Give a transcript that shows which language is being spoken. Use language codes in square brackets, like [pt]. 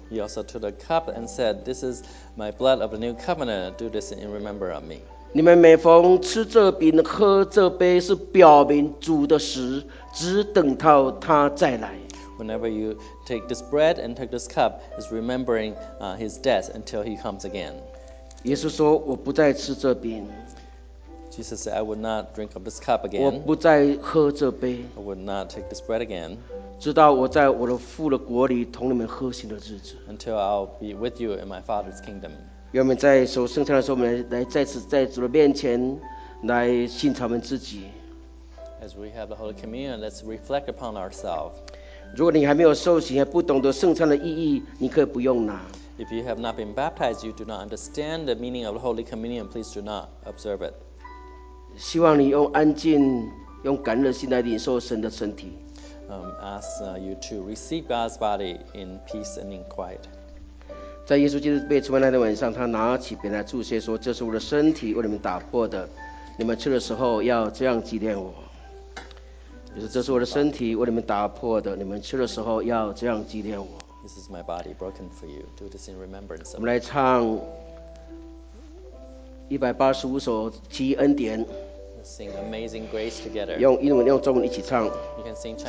[en] He also took the cup and said, this is my blood of the new covenant, do this in remembrance of me. [zh] 你们每逢吃这饼喝这杯，是表明主的食，只等到他再来。 [en] Whenever you take this bread and take this cup, it's remembering his death until he comes again. [zh] 耶稣说，我不再吃这饼。 [en] Jesus said, I will not drink of this cup again. [zh] 我不再喝这杯。 [en] I will not take this bread again. [zh] 直到我在我的父的国里同你们喝行的日子。 [en] Until I'll be with you in my Father's kingdom. [zh] 愿我们在守圣餐的时候，我们来再次在主的面前来省察我们自己。 [en] As we have the Holy Communion, let's reflect upon ourselves. [zh] 如果你还没有受洗，还不懂得圣餐的意义，你可以不用拿。 [en] If you have not been baptized, you do not understand the meaning of the Holy Communion, please do not observe it. [zh] 希望你用安静，用感恩的心来领受神的身体。 [en] You to receive God's body in peace and in quiet. [zh] 在耶稣基督被出卖那天晚上，他拿起饼来祝谢说，这是我的身体，为你们打破的，你们吃的时候要这样纪念我。这是我的身体，为你们打破的，你们吃的时候要这样纪念我。 [en] This is my body broken for you. Do this in remembrance. [zh] 我们来唱185首奇异恩典。 [en] Sing Amazing Grace together. [zh] 用英文、用中文一起唱。 [en] You can sing Chinese or English.